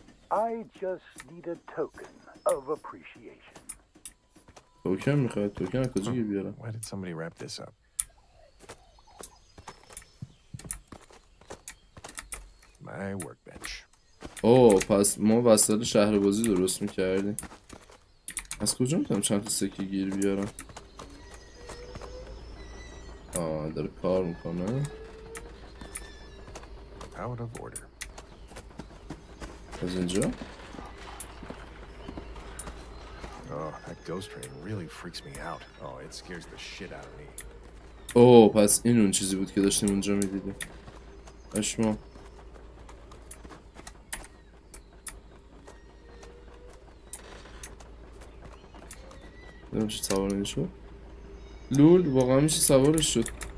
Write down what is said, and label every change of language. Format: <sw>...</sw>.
<en>I just need a token of appreciation.</en> <fa>توکن میخواد توکن از کجایی بیارم؟</fa> <en>Why did somebody wrap this up? My workbench.</en> <fa>اوه پس ما وسط شهر بازی درست میکردیم. از کجا میتونم چند تا سکی گیر بیارم؟ آه داره کار میکنه.</fa> <en>Out of order.</en> <fa>از اینجا؟</fa> <en>Oh, that ghost train really freaks me out. Oh, it scares the shit out of me.</en> <fa>Oh, پس این اون چیزی بود که داشتیم اونجا میدیدیم. اشما. نمیشه سوار این شد. لول واقعا میشه سوارش شد.</fa>